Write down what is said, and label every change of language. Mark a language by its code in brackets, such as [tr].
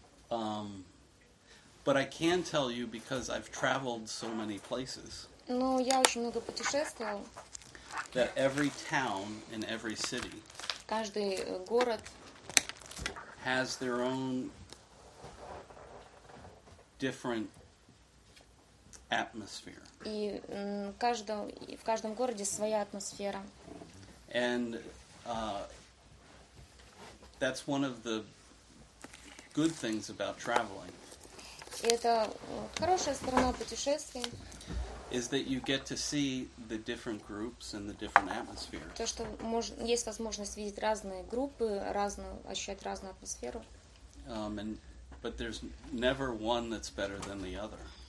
[en] But I can tell you because I've traveled so many places. [ru] Ну, я очень много путешествовал. [en] That every town and every city. [ru] Каждый город. [en] Has their own different. Atmosphere. [ru] И в каждом городе своя атмосфера. [en] And that's one of the good things about traveling. [ru] И это хорошая сторона путешествий. [en] Is that you get to see the different groups and the different atmosphere. [ru] То, что есть возможность видеть разные группы, ощущать разную атмосферу. [en] But there's never one that's better than the other.